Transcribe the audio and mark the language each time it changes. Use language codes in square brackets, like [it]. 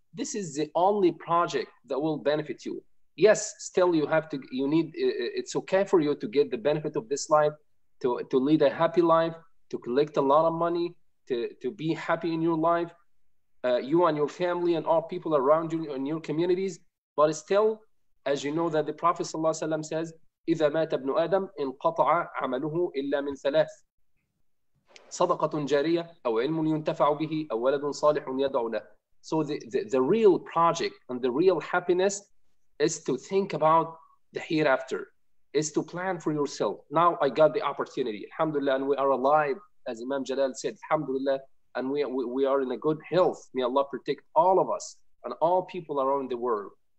[en] This is the only project that will benefit you. Yes, still you have to, you need, it's okay for you to get the benefit of this life, to lead a happy life, to collect a lot of money, to be happy in your life, you and your family and all people around you in your communities. But still, as you know that the Prophet ﷺ says, [ar] إِذَا مَاتَ ابْنُ آدَمْ إِنْ قَطَعَ عَمَلُهُ إِلَّا مِنْ ثَلَاثٍ صَدَقَةٌ جَارِيَةٌ أَوْ عِلْمٌ يُنْتَفَعُ بِهِ أَوْ وَلَدٌ صَالِحٌ يَدْعُ لَهُ. [en] So the real project and the real happiness is to think about the hereafter, is to plan for yourself. Now I got the opportunity, alhamdulillah, and we are alive, as Imam Jalal said, alhamdulillah, and we are in a good health. May Allah protect all of us and all people around the world.